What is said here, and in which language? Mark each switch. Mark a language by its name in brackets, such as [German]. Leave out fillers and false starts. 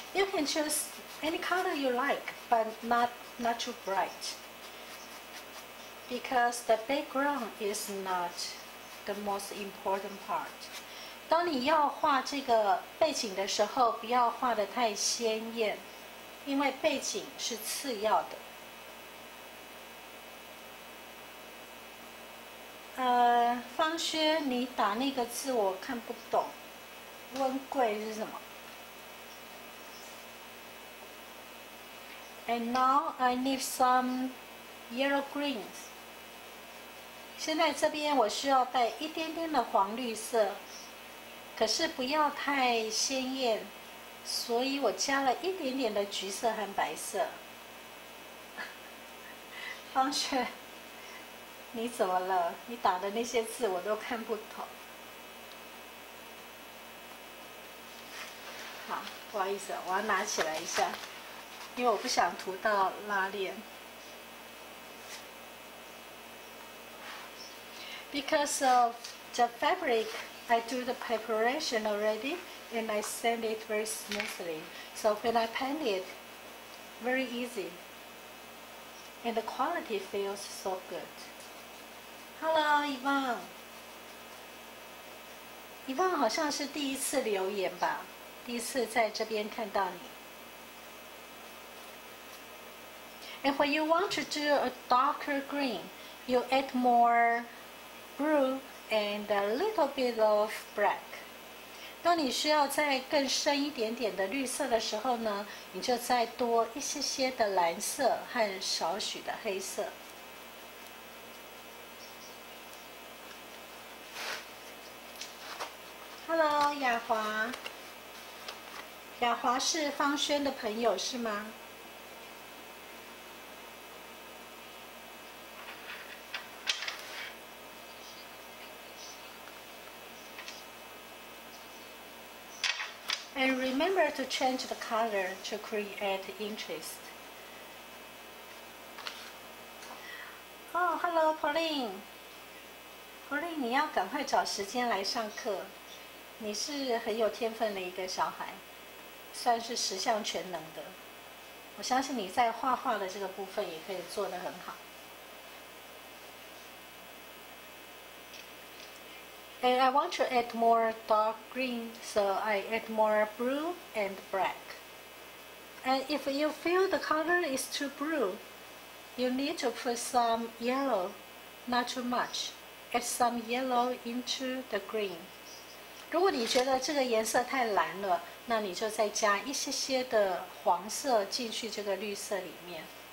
[English] You can choose any color you like, but not too bright, because the background is not the most important part. [Chinese] 当你要画这个背景的时候，不要画得太鲜艳，因为背景是次要的。方轩，你打那个字我看不懂，温贵是什么 ？ [English] And now I need some yellow greens. [Chinese] 现在这边我需要带一点点的黄绿色，可是不要太鲜艳，所以我加了一点点的橘色和白色。方雪，你怎么了？你打的那些字我都看不懂。好，不好意思，我要拿起来一下，因为我不想涂到拉链。 [English] Because of the fabric, I do the preparation already, and I sand it very smoothly. So when I paint it, very easy. And the quality feels so good. Hello, Yvonne. [Chinese] Yvonne 好像是第一次留言吧，第一次在这边看到你。 [English] And when you want to do a darker green, you add more blue and a little bit of black. [Chinese] 当你需要再更深一点点的绿色的时候呢，你就再多一些些的蓝色和少许的黑色。 Hello, 雅华。雅华是方轩的朋友是吗？ [English] And remember to change the color to create interest. Oh, hello, [Chinese] Pauline. Pauline, 你要赶快找时间来上课。你是很有天分的一个小孩，算是十项全能的。我相信你在画画的这个部分也可以做得很好。 [English] And I want to add more dark green, so I add more blue and black. And if you feel the color is too blue, you need to put some yellow, not too much. Add some yellow into the green. [Chinese] 如果你觉得这个颜色太蓝了，那你就再加一些些的黄色进去这个绿色里面。